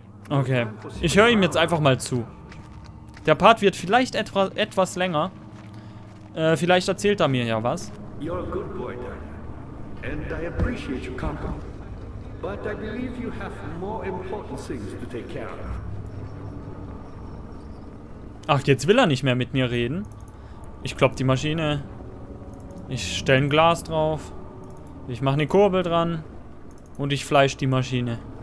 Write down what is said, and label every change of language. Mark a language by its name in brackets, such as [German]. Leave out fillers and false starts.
[German] Okay, ich höre ihm jetzt einfach mal zu. Der Part wird vielleicht etwas länger. Vielleicht erzählt er mir ja was. [English] You're a good boy, Daniel. And I appreciate your company. But I believe you have more important things to take care of. [German] Ach, jetzt will er nicht mehr mit mir reden. Ich klopfe die Maschine. Ich stelle ein Glas drauf. Ich mache eine Kurbel dran. Und ich fleisch die Maschine.